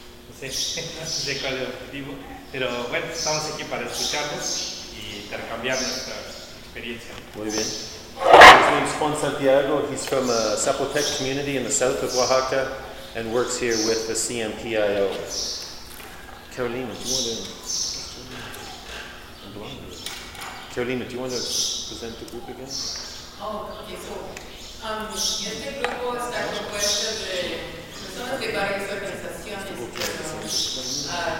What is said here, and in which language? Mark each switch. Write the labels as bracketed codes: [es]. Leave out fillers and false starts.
[es] No sé cuál es el objetivo, pero bueno, estamos aquí para escucharlos y intercambiar nuestra experiencia. Muy bien. [en] His name is Juan Santiago. He's from a Zapotec community in the south of Oaxaca and works here with the CMPIO. Carolina, do you want to... Carolina, do you want to present the group again? Oh, okay, so... [es] este grupo está compuesto de personas de varias organizaciones.